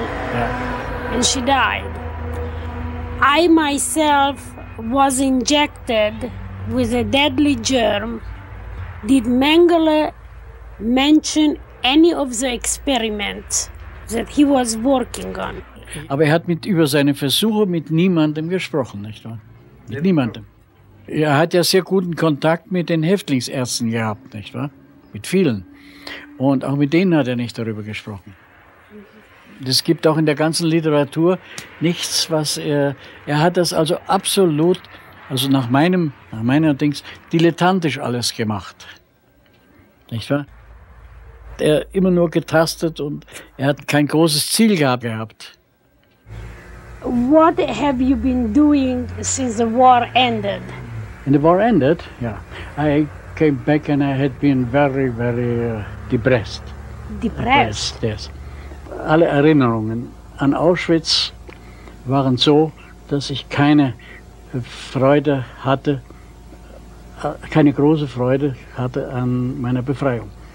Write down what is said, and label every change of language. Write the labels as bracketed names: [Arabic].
[English] yeah, and she died. I myself was injected with a deadly germ. Did Mengele mention any of the experiments that he was working on? [German] Aber hat mit über seine Versuche mit niemandem gesprochen, nicht wahr? Mit niemandem. Hat ja sehr guten Kontakt mit den Häftlingsärzten gehabt, nicht wahr? Mit vielen. Und auch mit denen hat nicht darüber gesprochen. Es gibt auch in der ganzen Literatur nichts, was er hat das also absolut, also nach meiner Dings, dilettantisch alles gemacht. Nicht wahr? Er immer nur getastet und er hat kein großes Ziel gehabt. [English] What have you been doing since the war ended? In the war ended? Yeah. I came back and I had been very, very depressed. Depressed? Yes. [German] Alle Erinnerungen an Auschwitz waren so, dass ich keine Freude hatte, keine große Freude hatte an meiner Befreiung.